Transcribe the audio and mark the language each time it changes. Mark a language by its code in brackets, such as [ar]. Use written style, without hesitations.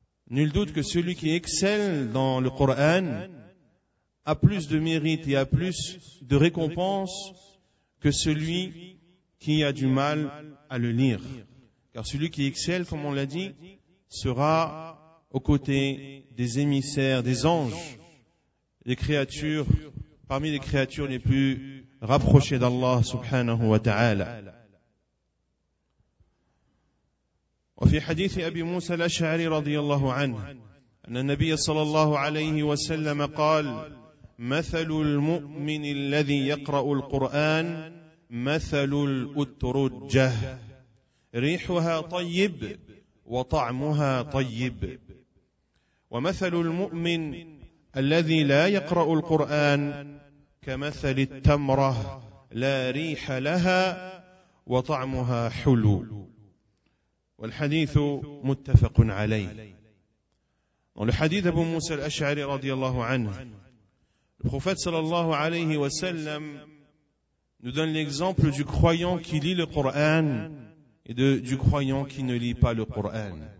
[fr] Nul doute que celui qui excelle dans le Coran a plus de mérite et a plus de récompense que celui qui a du mal à le lire. Car celui qui excelle, comme on l'a dit, sera aux côtés des émissaires, des anges, des créatures, parmi les créatures les plus rapprochées d'Allah subhanahu wa ta'ala. [ar] وفي حديث أبي موسى الأشعري رضي الله عنه أن النبي صلى الله عليه وسلم قال: مثل المؤمن الذي يقرأ القرآن مثل الأترجة، ريحها طيب وطعمها طيب. ومثل المؤمن الذي لا يقرأ القرآن كمثل التمرة لا ريح لها وطعمها حلو. والحديث متفق عليه. والحديث أبو موسى الأشعري رضي الله عنه الخفات صلى الله عليه وسلم [fr] nous donne l'exemple du croyant qui lit le Coran et du croyant qui ne lit pas le Coran.